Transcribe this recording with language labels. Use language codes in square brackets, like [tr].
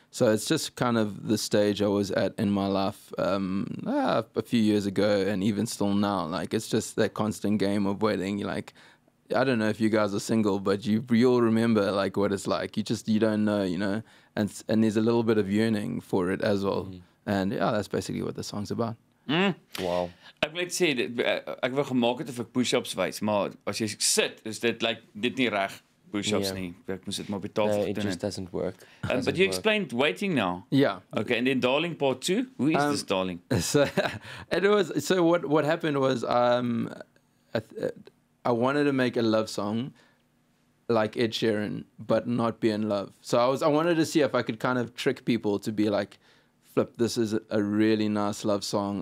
[en] So it's just kind of the stage I was at in my life a few years ago and even still now. Like, it's just that constant game of waiting, like, I don't know if you guys are single, but you all remember like what it's like. You don't know, you know, and there's a little bit of yearning for it as well. Mm. And yeah, that's basically what the song's about. Mm. Wow. [af] Ek moet sê, ek wil gemaak het of ek push-ups wys, maar as jy sit, is dit like dit nie reg push-ups nie. Ek moet dit maar op die tafel doen. [en] No, it just doesn't work. But you explained Waiting now. Yeah. Okay, and then Darling Part 2. Who is this Darling? So what happened was I wanted to make a love song like Ed Sheeran, but not be in love. So I wanted to see if I could kind of trick people to be like, flip, this is a really nice love song.